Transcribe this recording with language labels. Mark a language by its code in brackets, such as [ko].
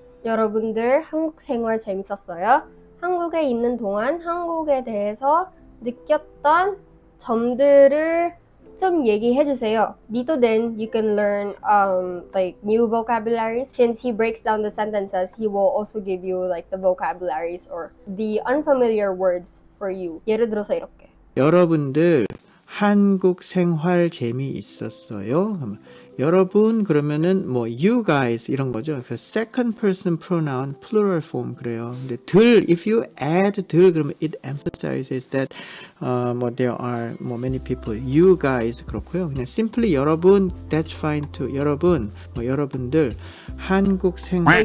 [ko] 여러분들 한국 생활 재밌었어요? 한국에 있는 동안 한국에 대해서 느꼈던 점들을 좀 얘기해 주세요. [en] Dito then you can learn like new vocabularies. Since he breaks down the sentences, he will also give you like the vocabularies or the unfamiliar words for you. [ko] 예를 들어서 이렇게. 여러분들 한국 생활 재미있었어요? 여러분 그러면은 뭐 [en] you guys [ko] 이런 거죠. 그 [en] second person pronoun plural form [ko] 그래요. 근데 [en] 들 if you add 들 [ko] 그러면 [en] it emphasizes that there are more many people. You guys [ko] 그렇고요. 그냥 [en] simply 여러분 that's fine too. [ko] 여러분 뭐 여러분들 한국 생활